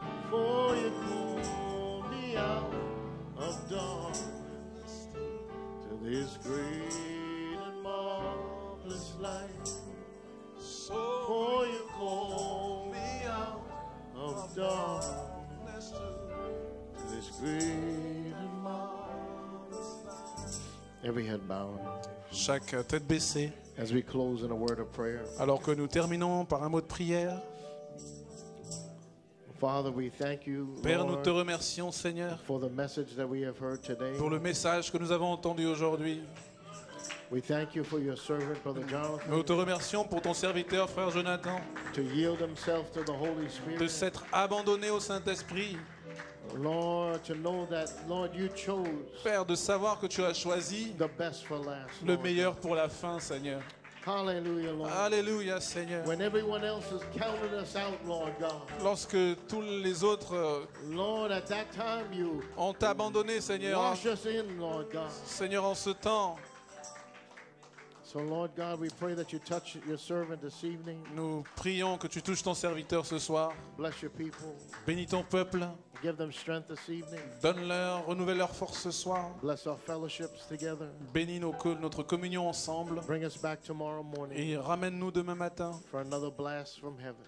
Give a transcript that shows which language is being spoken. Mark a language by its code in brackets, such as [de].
[en] For you called me out of darkness to this great and marvelous light. So for you called me out of darkness to this great and marvelous light. Every head bowed. [fr] Chaque tête baissée. [en] As we close in a word of prayer. [fr] Alors que nous terminons par un mot de prière. [en] Father, we thank you, Lord, [fr] Père, nous te remercions, Seigneur, [en] for the message that we have heard today. [fr] Pour le message que nous avons entendu aujourd'hui. [en] We thank you for your servant, Brother Jonathan, [fr] nous te remercions pour ton serviteur, Frère Jonathan, [en] to yield himself to the Holy Spirit. [fr] De s'être abandonné au Saint-Esprit. [en] Lord, to know that, Lord, you chose, [fr] Père, de savoir que tu as choisi [en] the best for last, [fr] le Lord, meilleur pour la fin, Seigneur. Alléluia, Seigneur. [en] When everyone else has counted us out, Lord God. [fr] Lorsque tous les autres, [en] Lord, at that time you [fr] ont abandonné, Seigneur. [en] Wash us in, Lord God. [fr] Seigneur, en ce temps. [en] So Lord God, we pray that you touch your servant this evening. [fr] Nous prions que tu touches ton serviteur ce soir. [en] Bless your people. [fr] Bénis ton peuple. [en] Give them strength this evening. [fr] Donne-leur, renouvelle leur force ce soir. [en] Bless our fellowships together. [fr] Bénis notre communion ensemble. [en] Bring us back tomorrow morning. [fr] Et ramène-nous demain matin. [en] For another blast from heaven.